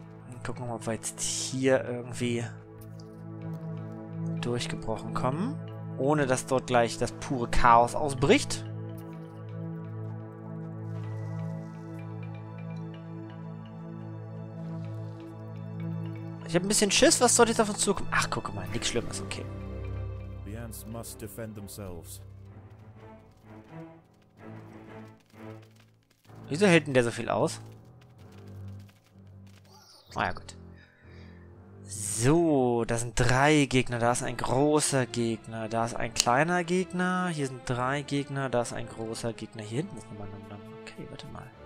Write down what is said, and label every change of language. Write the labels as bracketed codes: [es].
[de] Dann gucken wir mal, ob wir jetzt hier irgendwie durchgebrochen kommen, ohne dass dort gleich das pure Chaos ausbricht. Ich hab ein bisschen Schiss, was soll jetzt auf uns zukommen? Ach, guck mal, nichts Schlimmes, okay. [en] The ants must defend themselves. [de] Wieso hält denn der so viel aus? Ah ja, gut. So, da sind drei Gegner. Da ist ein großer Gegner. Da ist ein kleiner Gegner. Hier sind drei Gegner. Da ist ein großer Gegner. Hier hinten ist nochmal ein Name. Okay, warte mal.